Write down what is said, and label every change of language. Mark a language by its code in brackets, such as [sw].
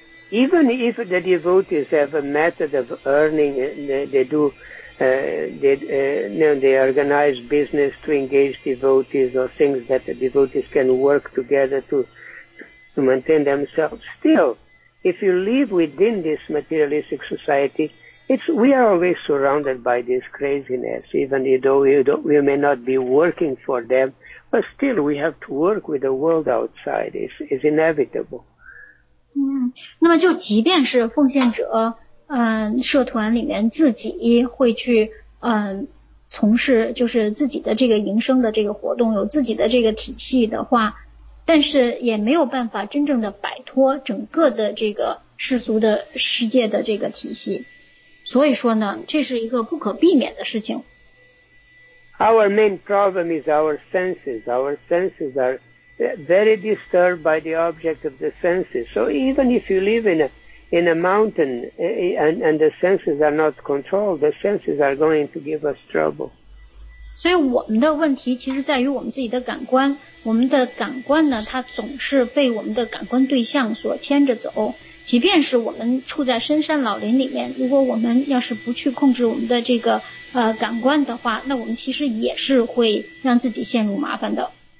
[en] Even if the devotees have a method of earning, they organize business to engage devotees or things that the devotees can work together to maintain themselves. Still, if you live within this materialistic society, we are always surrounded by this craziness. Even though we may not be working for them, but still we have to work with the world outside. It's inevitable. [zh] 那么就即便是奉献者社团里面自己会去从事就是自己的这个营生的这个活动，有自己的这个体系的话，但是也没有办法真正的摆脱整个的这个世俗的世界的这个体系，所以说呢这是一个不可避免的事情。 [en] Our main problem is our senses. Our senses are very disturbed by the object of the senses. So even if you live in a mountain and the senses are not controlled, the senses are going to give us trouble. [zh] 所以我们的问题其实在于我们自己的感官。我们的感官呢，它总是被我们的感官对象所牵着走。即便是我们处在深山老林里面，如果我们要是不去控制我们的这个感官的话，那我们其实也是会让自己陷入麻烦的。